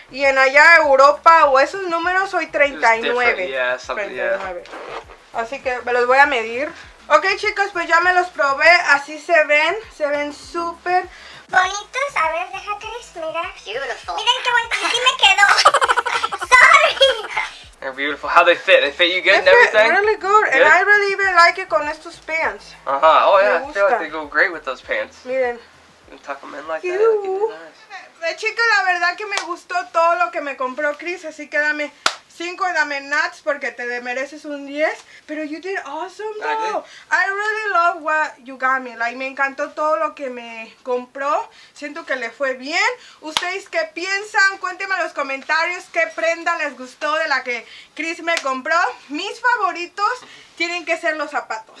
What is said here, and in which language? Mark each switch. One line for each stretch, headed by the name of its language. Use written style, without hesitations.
Spanish: y en allá Europa o esos números soy 39.
English: Yeah.
Spanish: Así que me los voy a medir. Ok, chicos, pues ya me los probé. Así se ven súper bonitos. A ver, deja, Chris, mira.
English: Beautiful.
Spanish: Miren qué bonito, así me quedó.
English: Sorry. They're beautiful. How they fit? They fit you good and everything? They fit really good. Good. And I really even like it
Spanish: con estos
English: pants. Uh-huh. Oh, yeah. I feel like they go great with those pants.
Spanish: Miren.
English: Tuck them in like that. Nice.
Spanish: Chica, la verdad que me gustó todo lo que me compró Chris, así que dame 5 y dame nuts porque te mereces un 10. Pero
English: you did awesome though. I really love what you got me. Like,
Spanish: me encantó todo lo que me compró. Siento que le fue bien. ¿Ustedes qué piensan? Cuéntenme en los comentarios qué prenda les gustó de la que Chris me compró. Mis favoritos tienen que ser los zapatos.